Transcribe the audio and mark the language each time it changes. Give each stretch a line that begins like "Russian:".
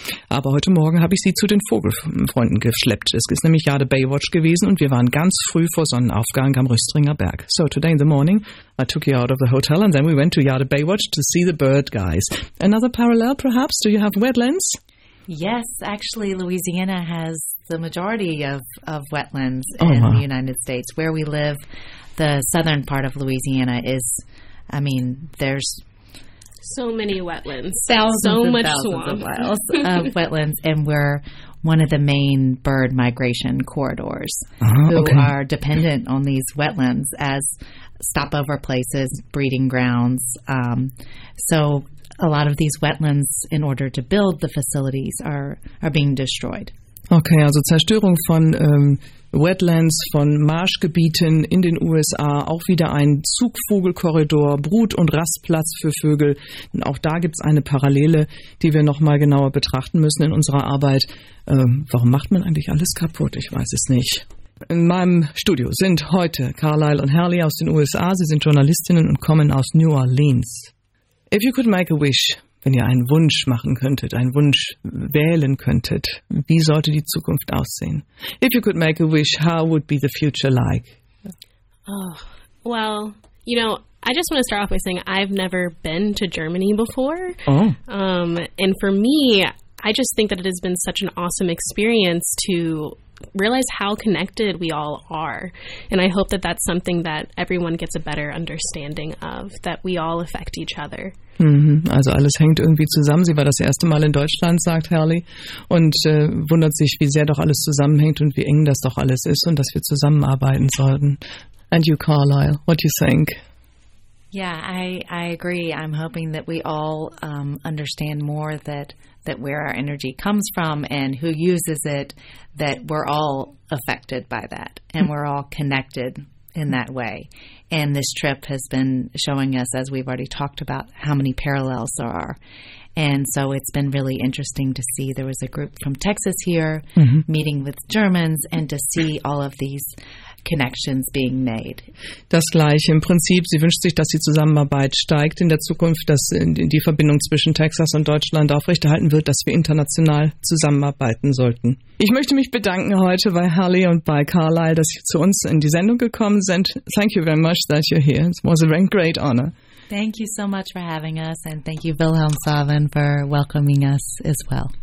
German: Aber heute Morgen habe ich sie zu den Vogelfreunden geschleppt. Es ist nämlich gerade Baywatch gewesen und wir waren ganz früh vor Sonnenaufgang am Rüstringer Berg.
English: So today in the morning, I took you out of the hotel and then we went to Jade Baywatch to see the bird guys. Another parallel perhaps? Do you have wetlands? Yes, actually Louisiana has the majority of wetlands in the United States. Where we live, the southern part of Louisiana is, I mean, there's so many wetlands, thousands of miles of wetlands, and we're one of the main bird migration corridors are dependent on these wetlands as stopover places, breeding grounds. So a lot of these wetlands, in order to build the facilities, are being destroyed.
German: Okay, also Zerstörung von Wetlands, von Marschgebieten in den USA, auch wieder ein Zugvogelkorridor, Brut- und Rastplatz für Vögel. Und auch da gibt es eine Parallele, die wir nochmal genauer betrachten müssen in unserer Arbeit. Warum macht man eigentlich alles kaputt? Ich weiß es nicht. In meinem Studio sind heute Carlisle und Halley aus den USA. Sie sind Journalistinnen und kommen aus New Orleans.
English: If you could make a wish,
German: wenn ihr einen Wunsch machen könntet, einen Wunsch wählen könntet, wie sollte die Zukunft aussehen?
English: If you could make a wish, how would be the future like? Oh, well, you know, I just want to start off by saying I've never been to Germany before. Oh. And for me, I just think that it has been such an awesome experience to realize how connected we all are. And I hope that that's something that everyone gets a better understanding of, that we all affect each other.
German: Also alles hängt irgendwie zusammen. Sie war das erste Mal in Deutschland, sagt Halley, und wundert sich, wie sehr doch alles zusammenhängt und wie eng das doch alles ist und dass wir zusammenarbeiten sollten.
English: And you, Carlisle, what do you think? Yeah, I agree. I'm hoping that we all understand more that where our energy comes from and who uses it, that we're all affected by that and we're all connected in that way. And this trip has been showing us, as we've already talked about, how many parallels there are. And so it's been really interesting to see. There was a group from Texas here meeting with Germans and to see all of these connections being made.
German: Das Gleiche. Im Prinzip, sie wünscht sich, dass die Zusammenarbeit steigt in der Zukunft, dass die Verbindung zwischen Texas und Deutschland aufrechterhalten wird, dass wir international zusammenarbeiten sollten. Ich möchte mich bedanken heute bei Halley und bei Carlisle, dass sie zu uns in die Sendung gekommen sind.
English: Thank you very much that you're here. It was a great honor. Thank you so much for having us and thank you Wilhelmshaven for welcoming us as well.